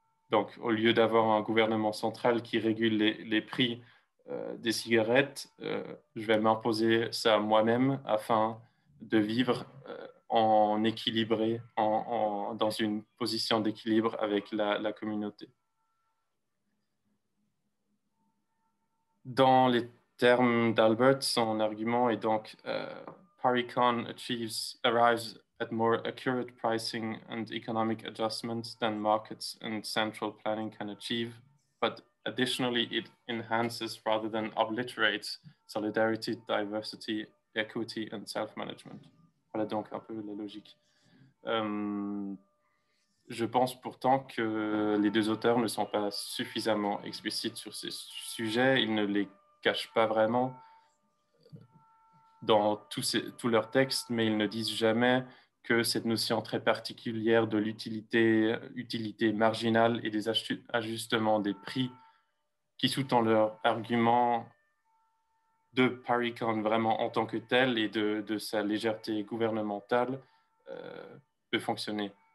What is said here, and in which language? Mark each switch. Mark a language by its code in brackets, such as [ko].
[fr] Donc, au lieu d'avoir un gouvernement central qui régule les prix des cigarettes, je vais m'imposer ça moi-même afin de vivre en équilibré, dans une position d'équilibre avec la communauté. Dans les termes d'Albert, son argument est donc [en] Paricon arrives at more accurate pricing and economic adjustments than markets and central planning can achieve, but additionally it enhances rather than obliterates solidarity, diversity, equity and self-management. [fr] Voilà donc un peu la logique. Je pense pourtant que les deux auteurs ne sont pas suffisamment explicites sur ces sujets. Ils ne les cachent pas vraiment dans tous leurs textes, mais ils ne disent jamais que cette notion très particulière de l'utilité marginale et des ajustements des prix qui sous-tend leur argument de Paricon vraiment en tant que tel et de sa légèreté gouvernementale peut fonctionner.